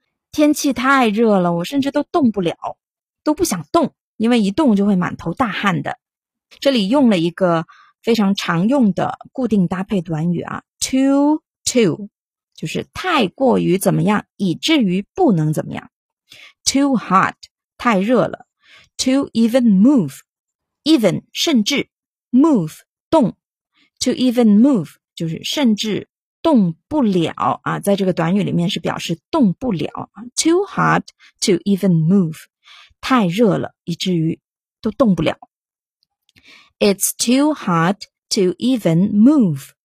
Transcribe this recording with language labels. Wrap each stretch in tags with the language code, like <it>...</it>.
<zh>天气太热了，我甚至都动不了，都不想动，因为一动就会满头大汗的。这里用了一个非常常用的固定搭配短语啊 too, 就是太过于怎么样，以至于不能怎么样。</zh> <en>Too hot,</en> <zh>太热了。</zh> <en>To even move, even, 甚至 move, 动。 To even move,</en> <zh>就是甚至动不了啊，在这个短语里面是表示动不了。</zh> <en>Too hot to even move,</en> <zh>太热了以至于都动不了。</zh> <en>It's too hot to even move.</en>